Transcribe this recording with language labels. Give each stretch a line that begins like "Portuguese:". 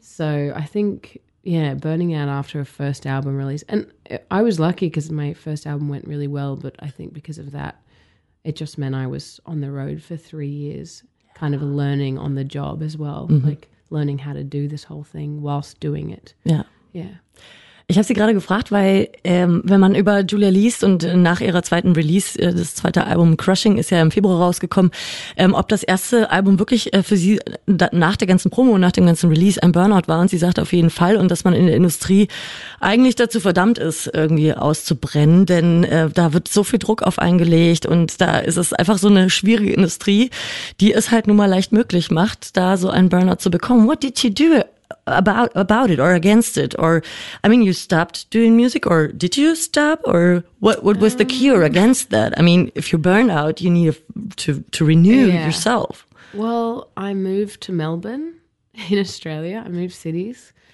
English: So I think... Yeah, burning out after a first album release. And I was lucky because my first album went really well, but I think because of that, it just meant I was on the road for 3 years, kind of learning on the job as well, like learning how to do this whole thing whilst doing it. Yeah. Yeah.
German: Ich habe sie gerade gefragt, weil wenn man über Julia liest und nach ihrer zweiten Release, das zweite Album Crushing ist ja im Februar rausgekommen, ob das erste Album wirklich für sie nach der ganzen Promo, nach dem ganzen Release ein Burnout war, und sie sagt auf jeden Fall, und dass man in der Industrie eigentlich dazu verdammt ist, irgendwie auszubrennen, denn da wird so viel Druck auf einen gelegt und da ist es einfach so eine schwierige Industrie, die es halt nun mal leicht möglich macht, da so einen Burnout zu bekommen.
English: What did she do? About it or against it, or I mean, you stopped doing music, or did you stop, or what was the cure against that? I mean, if you're burned out, you need to renew yourself. Well, I moved to Melbourne in Australia. I moved cities.